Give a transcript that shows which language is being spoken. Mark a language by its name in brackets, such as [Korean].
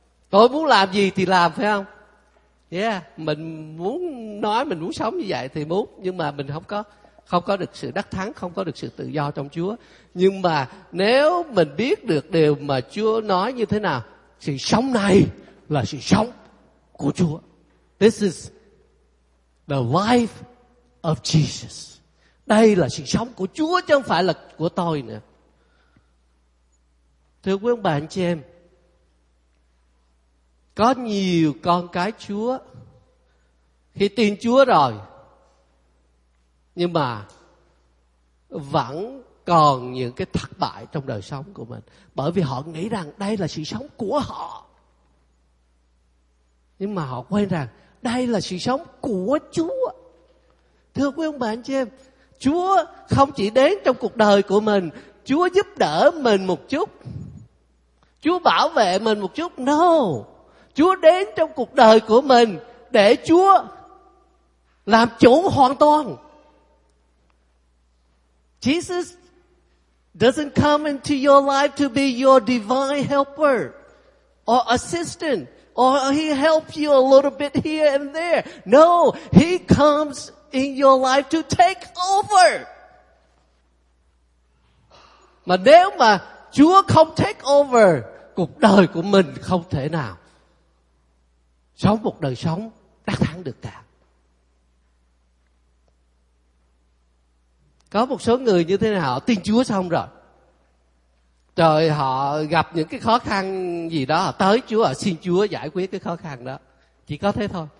[Vietnamese] Tôi muốn làm gì thì làm, phải không? Yeah, mình muốn nói mình muốn sống như vậy thì muốn, nhưng mà mình không có được sự đắc thắng, không có được sự tự do trong Chúa. Nhưng mà nếu mình biết được điều mà Chúa nói như thế nào, sự sống này là sự sống của Chúa. [English] This is the life of Jesus. [Vietnamese] Đây là sự sống của Chúa chứ không phải là của tôi nữa. Thưa quý ông bà anh chị em, có nhiều con cái Chúa khi tin Chúa rồi nhưng mà vẫn còn những cái thất bại trong đời sống của mình, bởi vì họ nghĩ rằng đây là sự sống của họ, nhưng mà họ quên rằng đây là sự sống của Chúa. Thưa quý ông bà anh chị em, Chúa không chỉ đến trong cuộc đời của mình, Chúa giúp đỡ mình một chút, Chúa bảo vệ mình một chút. No, Chúa đến trong cuộc đời của mình để Chúa làm chủ hoàn toàn. [English] Jesus doesn't come into your life to be your divine helper or assistant, or he helps you a little bit here and there. No, he comes in your life to take over. [Vietnamese] Mà nếu mà Chúa không [English] take over, [Vietnamese] cuộc đời của mình không thể nào sống một đời sống đắc thắng được cả. Có một số người như thế nào, họ tin Chúa xong rồi, trời, họ gặp những cái khó khăn gì đó, họ tới Chúa, họ xin Chúa giải quyết cái khó khăn đó. Chỉ có thế thôi.